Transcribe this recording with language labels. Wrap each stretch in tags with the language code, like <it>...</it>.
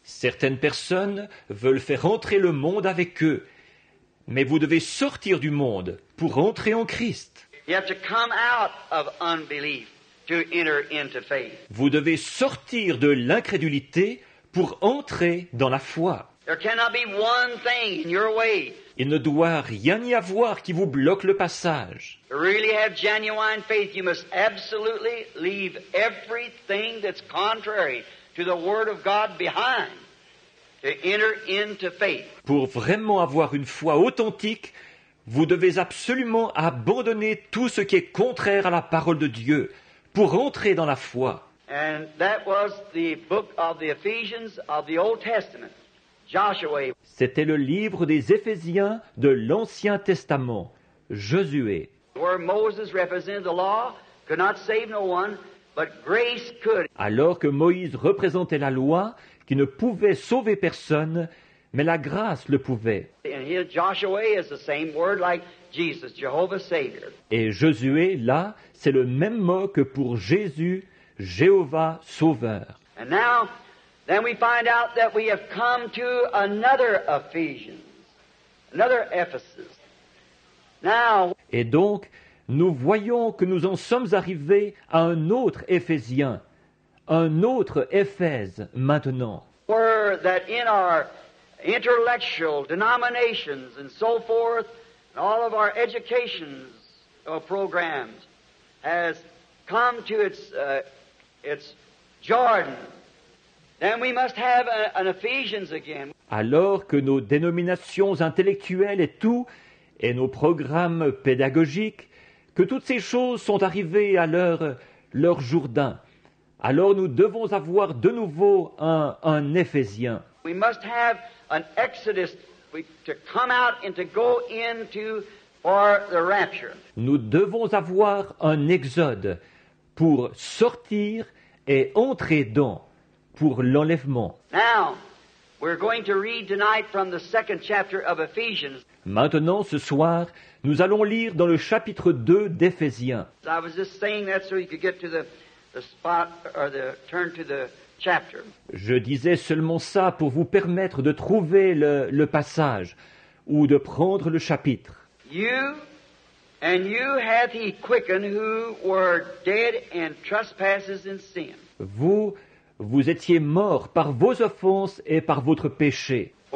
<fr>Certaines personnes veulent faire entrer le monde avec eux, mais vous devez sortir du monde pour entrer en Christ.</fr> <en>You have to come out of unbelief to enter into faith.</en> <fr>Vous devez sortir de l'incrédulité pour entrer dans la foi.</fr> <en>There cannot be one thing in your way.</en> <fr>Il ne doit rien y avoir qui vous bloque le passage.</fr> <en>To really have genuine faith, you must absolutely leave everything that's contrary to the Word of God behind to enter into faith.</en> <fr>Pour vraiment avoir une foi authentique, vous devez absolument abandonner tout ce qui est contraire à la parole de Dieu pour entrer dans la foi.</fr> <en>And that was the book of the Ephesians of the Old Testament. Joshua.</en> <fr>C'était le livre des Éphésiens de l'Ancien Testament, Josué.</fr> <en>Where Moses represented the law, could not save no one, but grace could.</en> <fr>Alors que Moïse représentait la loi, qui ne pouvait sauver personne, mais la grâce le pouvait.</fr> <en>And here Joshua is the same word like Jesus, Jehovah Savior.</en> <fr>Et Josué, là, c'est le même mot que pour Jésus, Jéhovah Sauveur.</fr> <en>And now, then we find out that we have come to another Ephesians, another Ephesus. Now,</en> <fr>et donc, nous voyons que nous en sommes arrivés à un autre Éphésien, un autre Éphèse maintenant.</fr> <en>Where that in our intellectual denominations and so forth, and all of our education programs has come to its Jordan. Then we must have an Ephesians again.</en> <fr>Alors que nos dénominations intellectuelles et tout, et nos programmes pédagogiques, que toutes ces choses sont arrivées à leur Jourdain, alors nous devons avoir de nouveau un Éphésien.</fr> <en>We must have an exodus to come out and to go into for the rapture.</en> <fr>Nous devons avoir un exode pour sortir et entrer dans. Pour l'enlèvement.</fr> <en>Now, we're going to read tonight from the second chapter of Ephesians.</en> <fr>Maintenant, ce soir, nous allons lire dans le chapitre 2 d'Éphésiens.</fr> <en>So I was just saying that so you could get to the spot or the turn to the chapter.</en> <fr>Je disais seulement ça pour vous permettre de trouver le passage ou de prendre le chapitre.</fr> <en>You and you hath he quickened who were dead in trespasses and sin.</en> <fr>Vous étiez morts par vos offenses et par votre péché.</fr>